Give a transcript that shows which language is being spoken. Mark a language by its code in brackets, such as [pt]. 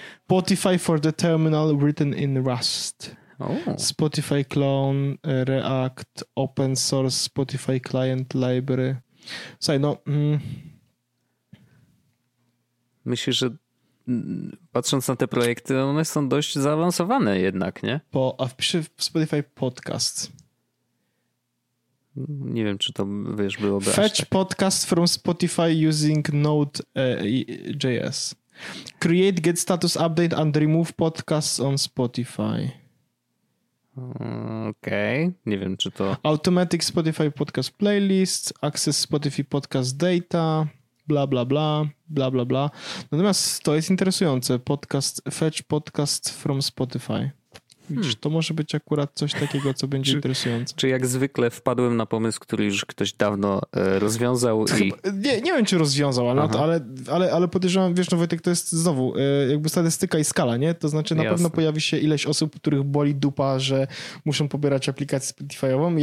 [en] Spotify for the terminal written in Rust. Spotify clone, React, open source Spotify client library. [pl] Słuchaj, no... Myślę, że patrząc na te projekty, one są dość zaawansowane jednak, nie? A wpiszę Spotify podcast. Nie wiem, czy to, wiesz, byłoby [en] fetch [pl] aż tak. [en] Podcast from Spotify using Node.js. Create get status update and remove podcasts on Spotify. [pl] Okej, okay. Nie wiem, czy to... [en] Automatic Spotify podcast playlist, access Spotify podcast data, bla, bla, bla, bla, bla, bla. [pl] Natomiast to jest interesujące. [en] Podcast, fetch podcast from Spotify. [pl] Widzisz, to może być akurat coś takiego, co będzie interesujące. Czy jak zwykle wpadłem na pomysł, który już ktoś dawno rozwiązał i... Nie wiem, czy rozwiązał, ale podejrzewam, wiesz, no Wojtek, to jest znowu jakby statystyka i skala, nie? To znaczy na pewno pojawi się ileś osób, których boli dupa, że muszą pobierać aplikację Spotify'ową.